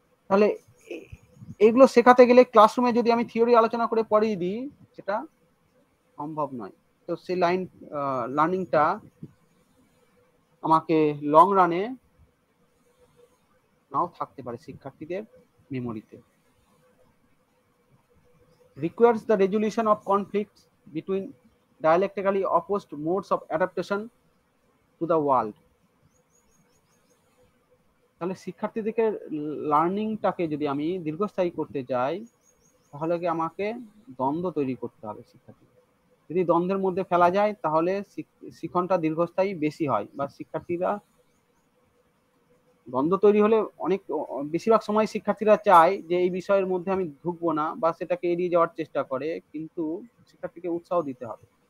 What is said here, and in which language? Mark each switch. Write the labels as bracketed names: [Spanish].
[Bangla] তাহলে এগুলো শেখাতে গেলে ক্লাসরুমে যদি আমি থিওরি আলোচনা করে পড়িয়ে দিই সেটা সম্ভব নয়। তো সেই লাইন লার্নিংটা আমাকে লং রানে নাও থাকতে পারে শিক্ষার্থীদের মেমোরিতে। [English] Requires the resolution of conflicts between dialectically opposed modes of adaptation to the world. [Bangla] তাহলে শিক্ষার্থীদের লার্নিংটাকে যদি আমি দীর্ঘস্থায়ী করতে চাই তাহলে কি আমাকে দ্বন্দ্ব তৈরি করতে হবে শিক্ষার্থী। যদি দ্বন্দ্বের মধ্যে ফেলা যায় তাহলে শিক্ষণটা দীর্ঘস্থায়ী বেশি হয় বা শিক্ষার্থীরা দ্বন্দ্ব তৈরি হলে অনেক বেশিরভাগ সময় শিক্ষার্থীরা চায় যে এই বিষয়ের মধ্যে আমি ঢুকবো না বা সেটাকে এড়িয়ে যাওয়ার চেষ্টা করে, কিন্তু শিক্ষার্থীকে উৎসাহ দিতে হবে।